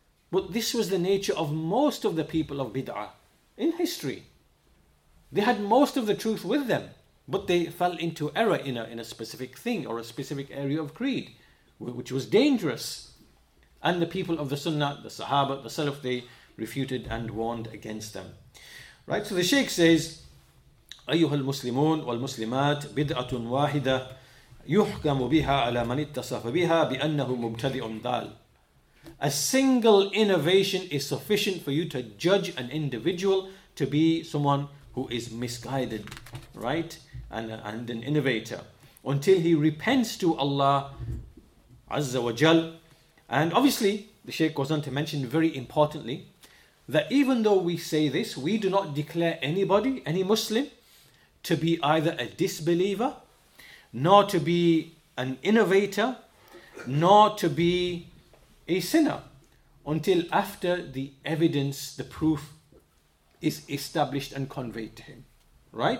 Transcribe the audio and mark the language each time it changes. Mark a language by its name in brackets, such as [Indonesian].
[English] But this was the nature of most of the people of Bid'ah in history. They had most of the truth with them, but they fell into error in a specific thing or a specific area of creed, which was dangerous. And the people of the Sunnah, the Sahaba, the Salaf, they refuted and warned against them. Right? [Arabic] So the Shaykh says, أَيُّهَا الْمُسْلِمُونَ وَالْمُسْلِمَاتِ بِدْعَةٌ وَاحِدَةٌ يُحْكَمُ بِهَا عَلَى مَنِ اتَّصَفَ بِهَا بِأَنَّهُ مُبْتَدِئٌ ضَالٌ. [English] A single innovation is sufficient for you to judge an individual to be someone who is misguided, right? And an innovator. Until he repents to Allah Azza wa Jal. And obviously, the Shaykh goes on to mention very importantly that even though we say this, we do not declare anybody, any Muslim, to be either a disbeliever, nor to be an innovator, nor to be a sinner, until after the evidence, the proof, is established and conveyed to him. Right?